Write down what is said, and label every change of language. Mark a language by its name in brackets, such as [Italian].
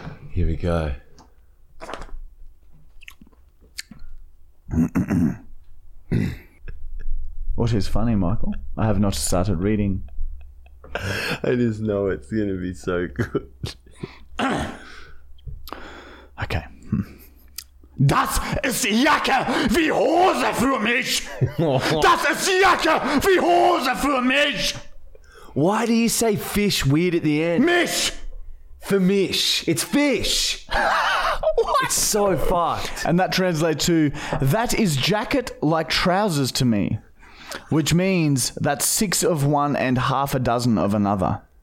[English] Here we go. What is funny, Michael? I have not started reading. I just know it's going to be so good. Okay. [German] Das ist Jacke wie Hose für mich. Das ist Jacke wie Hose für mich. [English] Why do you say fish weird at the end? [German] Mich. [English] For mich. It's fish. What? It's so fucked. And that translates to, that is jacket like trousers to me. Which means that's six of one and half a dozen of another.